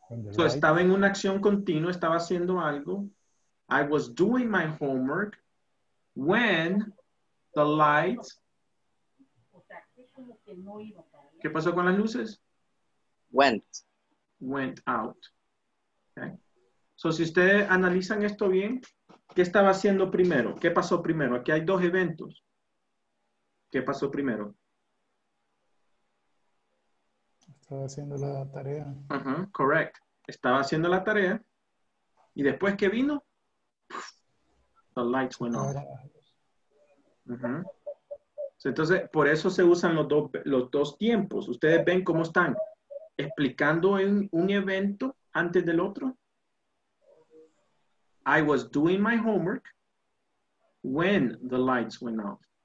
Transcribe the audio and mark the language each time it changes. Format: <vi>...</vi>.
<es>So estaba en una acción continua, estaba haciendo algo.</es> <en>I was doing my homework when the lights.</en> <es>¿Qué pasó con las luces?</es> <en>Went out. Okay.</en> <es>So si ustedes analizan esto bien, ¿qué estaba haciendo primero? ¿Qué pasó primero? Aquí hay dos eventos. ¿Qué pasó primero? Estaba haciendo la tarea. Uh-huh, correct. Estaba haciendo la tarea. ¿Y después qué vino?</es> <en>The lights went off.</en> <es>Uh-huh. Entonces, por eso se usan los dos tiempos. ¿Ustedes ven cómo están explicando un evento antes del otro?</es> <en>I was doing my homework when the lights went off.</en>